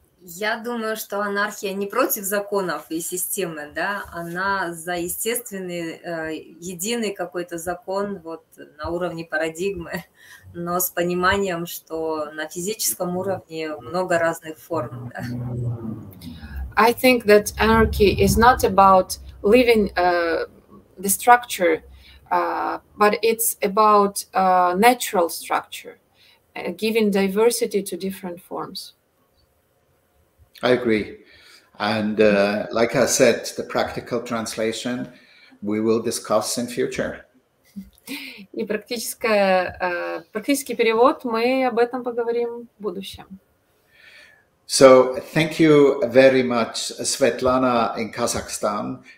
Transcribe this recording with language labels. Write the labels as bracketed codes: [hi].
[ru] Я думаю, что анархия не против законов и системы, да, она за естественный, единый какой-то закон вот на уровне парадигмы, но с пониманием, что на физическом уровне много разных форм. Да? [en] I think that anarchy is not about leaving the structure, but it's about natural structure, giving diversity to different forms. I agree. And like I said, the practical translation we will discuss in future. [ru] И практический перевод, мы об этом поговорим в будущем. [en] So thank you very much, Svetlana in Kazakhstan.